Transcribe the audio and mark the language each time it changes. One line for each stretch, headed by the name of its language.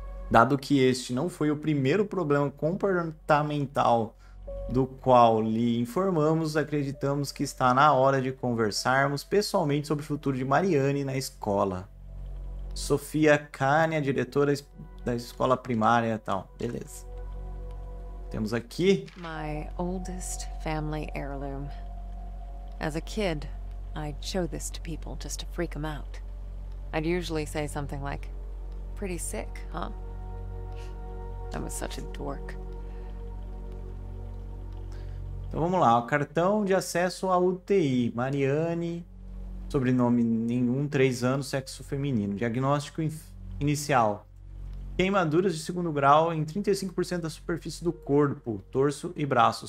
Portuguese: Dado que este não foi o primeiro problema comportamental do qual lhe informamos, acreditamos que está na hora de conversarmos pessoalmente sobre o futuro de Marianne na escola. Sofia Kane, a diretora da escola primária e tal. Beleza. Temos aqui.
English: My oldest family heirloom. As a kid, I'd show this to people just to freak them out. I'd usually say something like, pretty sick, huh? I was such a dork.
Portuguese: Então vamos lá, o cartão de acesso à UTI. Marianne, sobrenome nenhum, 3 anos, sexo feminino. Diagnóstico inicial. Queimaduras de segundo grau em 35% da superfície do corpo, torso e braço.